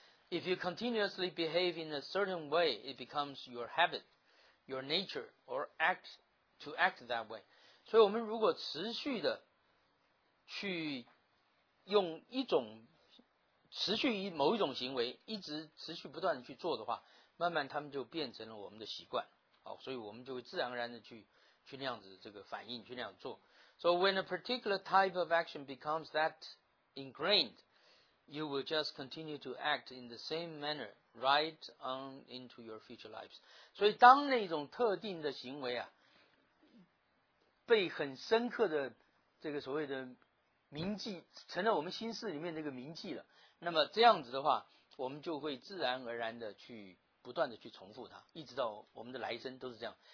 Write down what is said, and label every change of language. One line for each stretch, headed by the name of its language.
English: If you continuously behave in a certain way, it becomes your habit, your nature, or act that way.
Chinese: 所以我们如果持续的去用一种持续于某一种行为，一直持续不断的去做的话，慢慢他们就变成了我们的习惯。好，所以我们就会自然而然的去那样子这个反应，去那样做。
English: So when a particular type of action becomes that ingrained,You will just continue to act in the same manner right on into your future lives.
Chinese: 所以当那种特定的行为啊，被很深刻的这个所谓的铭记，成了我们心事里面的一个铭记了，那么这样子的话，我们就会自然而然的去不断的去重复它，一直到我们的来生都是这样。